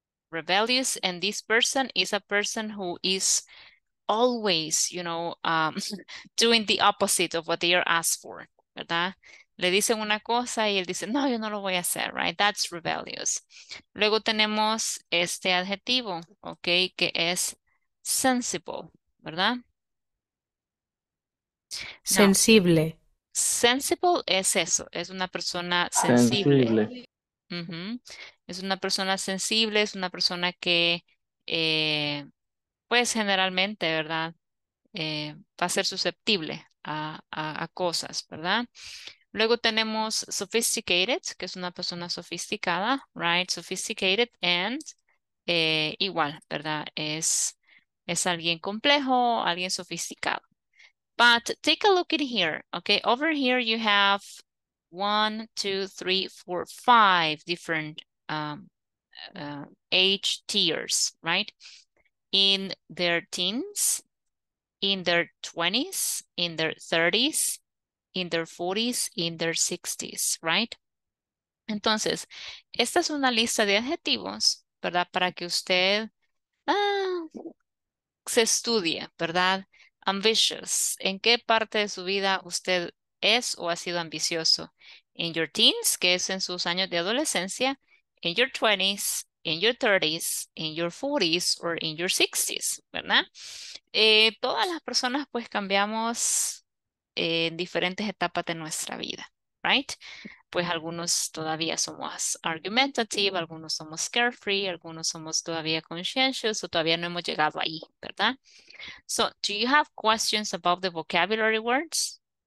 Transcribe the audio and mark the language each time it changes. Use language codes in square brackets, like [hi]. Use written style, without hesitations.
[en] Rebellious, and this person is a person who is always, you know, doing the opposite of what they are asked for, [es] ¿verdad? Le dicen una cosa y él dice, no, yo no lo voy a hacer, [en] right? That's rebellious. [es] Luego tenemos este adjetivo, okay, que es sensible, ¿verdad? Sensible. No. Sensible es eso, es una persona sensible. Sensible. Uh-huh. Es una persona sensible, es una persona que, pues generalmente, ¿verdad? Va a ser susceptible a cosas, ¿verdad? Luego tenemos sophisticated, que es una persona sofisticada, [en] right? Sophisticated and [es] igual, ¿verdad? Es alguien complejo, alguien sofisticado. [en] But take a look in here, okay? Over here you have 1, 2, 3, 4, 5 different age tiers, right? In their teens, in their 20s, in their 30s, in their 40s, in their 60s, right? [es] Entonces, esta es una lista de adjetivos, ¿verdad? Para que usted se estudie, ¿verdad? Ambitious. ¿En qué parte de su vida usted es o ha sido ambicioso? [en] In your teens, [es] que es en sus años de adolescencia, [en] in your 20s, in your 30s, in your 40s, or in your 60s, [es] ¿verdad? Todas las personas pues cambiamos en diferentes etapas de nuestra vida, [en] right? [es] Pues algunos todavía somos argumentative, algunos somos carefree, algunos somos todavía conscientious, o todavía no hemos llegado ahí, ¿verdad? [en] So, do you have questions about the vocabulary words?